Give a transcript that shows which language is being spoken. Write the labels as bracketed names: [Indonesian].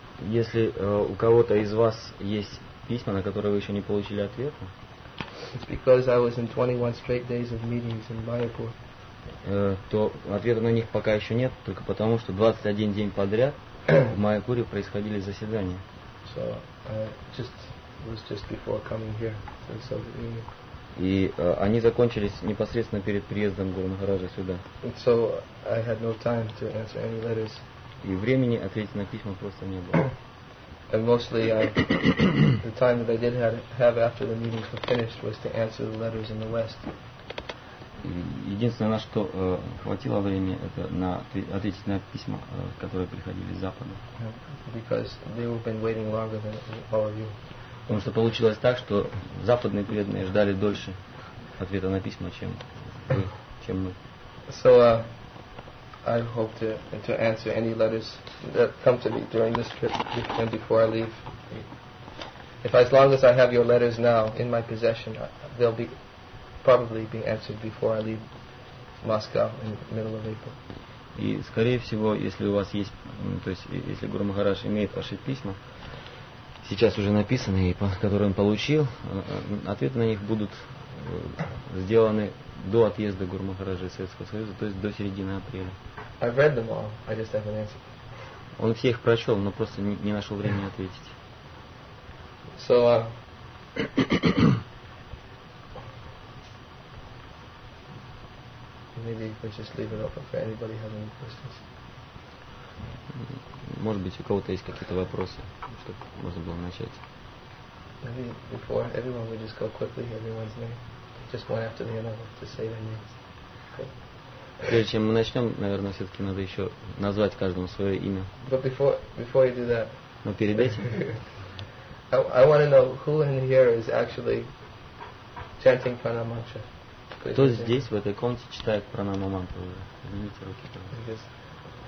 [Russian] Если у кого-то из вас есть письма, на которые вы еще не получили ответа. [English] It's because I was in 21 straight days of meetings in Mayapur. [Russian] То ответа на них пока еще нет, только потому что 21 день подряд в Майапуре происходили заседания. [English] So it was just before coming here to Soviet Union. [Russian] И они закончились непосредственно перед приездом Гурмахараджа сюда. [English] And so I had no time to answer any letters. [Russian] И времени ответить на письма просто не было. [English] And mostly the time that I did have after the meetings were finished was to answer the letters in the West. [Russian] Единственное, на что хватило времени, это на ответить на письма, которые приходили с Запада. [English] Because they have been waiting longer than all of you. [Russian] Потому что получилось так, что западные преданные ждали дольше ответа на письма, чем вы, чем мы. [English] So I hope to answer any letters that come to me during this trip and before I leave. If as long as I have your letters now in my possession, they'll be probably be answered before I leave Moscow in the middle of April. [Russian] И скорее всего, если у вас есть, то есть если Гуру Махарадж имеет ваши письма. Сейчас уже написанные, которые он получил, ответы на них будут сделаны до отъезда Гуру Махараджа из Советского Союза, то есть до середины апреля. [English] I've read them all, I just haven't answered. [Russian] Он все их прочел, но просто не нашел времени ответить. [English] So, maybe we just leave it open for anybody who has any questions. [Russian] Может быть, у кого-то есть какие-то вопросы, чтобы можно было начать. [English] Maybe before everyone would just go quickly, everyone's name. Just one after the other to say their names. [Russian] Прежде чем мы начнем, наверное, все-таки надо еще назвать каждому свое имя. [English] But before you do that. [Russian] Но перед этим. [English] I want to know who in here is actually chanting Pranamantra. [Russian] Кто здесь, в этой комнате, читает Пранамамантру? Поднимите руки, пожалуйста.